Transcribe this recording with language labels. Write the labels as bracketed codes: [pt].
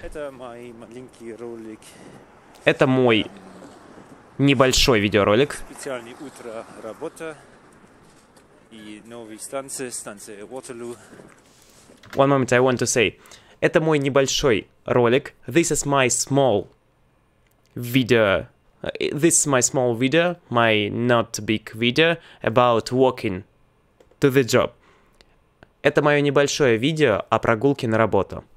[ru] Это мой маленький ролик. Это мой небольшой видеоролик. Специальное утро работа. И новые станции, станция Waterloo. [en] One moment, I want to say. [ru] Это мой небольшой ролик. [en] This is my small video. This is my small video, my not big video, about walking to the job. [ru] Это мое небольшое видео о прогулке на работу.